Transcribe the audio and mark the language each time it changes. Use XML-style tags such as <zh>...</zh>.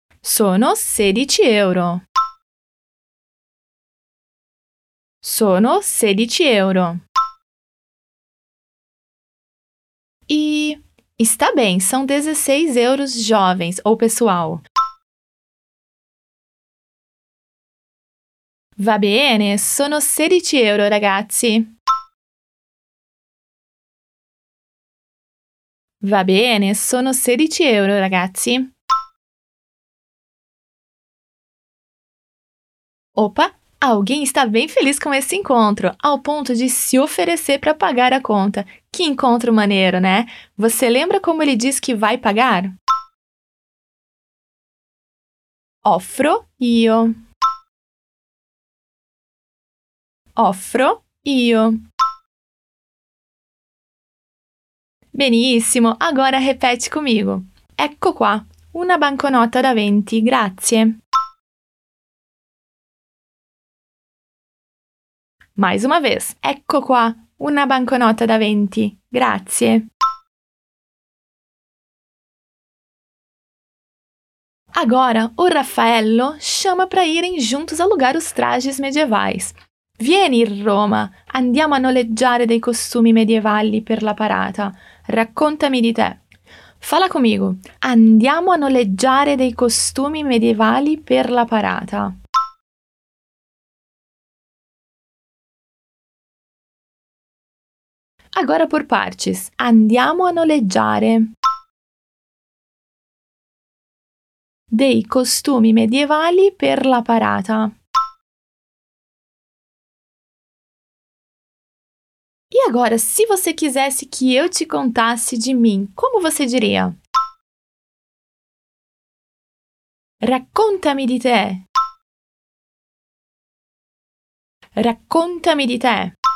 <it>Sono 16 euro. Sono 16 euro.</it> <pt>E está bem, são 16 euros jovens ou pessoal.</pt> <it>Va bene, sono 16 euro, ragazzi. Va bene, sono 16 euro, ragazzi.</it> <pt>Opa, alguém está bem feliz com esse encontro, ao ponto de se oferecer para pagar a conta. Que encontro maneiro, né? Você lembra como ele diz que vai pagar?</pt> <it>Offro io. Offro io.</it> <pt>Benissimo, agora repete comigo.</pt> <it>Ecco qua, una banconota da 20, grazie.</it> <pt>Mais uma vez.</pt> <it>Ecco qua, una banconota da 20. Grazie.</it> <pt>Agora, o Raffaello chama para irem juntos alugar os trajes medievais.</pt> <it>Vieni, Roma. Andiamo a noleggiare dei costumi medievali per la parata. Raccontami di te.</it> <pt>Fala comigo.</pt> <it>Andiamo a noleggiare dei costumi medievali per la parata.</it> <pt>Agora por partes.</pt> <it>Andiamo a noleggiare dei costumi medievali per la parata.</it> <pt>E agora, se você quisesse que eu te contasse de mim, como você diria?</pt> <it>Raccontami di te. Raccontami di te.</it>